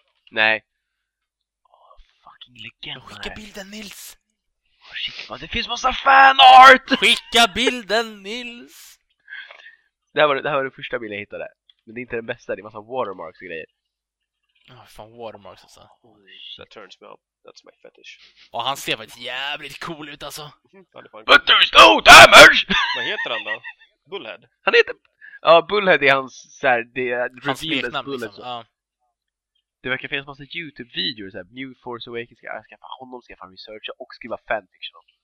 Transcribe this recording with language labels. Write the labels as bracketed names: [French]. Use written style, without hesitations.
[Swedish] nej. Åh, [English] fucking legend. [Swedish] Skicka bilden, Nils! Skicka, det finns massa fanart! Skicka bilden, Nils! Det här var det första bilden jag hittade. Men det är inte den bästa, det är massa watermarks och grejer. Åh, fan, watermarks alltså. [English] That turns me up, that's my fetish. [Swedish] Åh, han ser faktiskt jävligt cool ut alltså. [English] But there's no damage! [Swedish] Vad heter han då? Bullhead? Han heter... Ja, Bullhead är hans såhär... Hans smeknamn liksom, ja. Det verkar finnas massa YouTube-videor såhär, New Force Awakens, jag ska få honom, ska fan researcha och skriva fanfiction.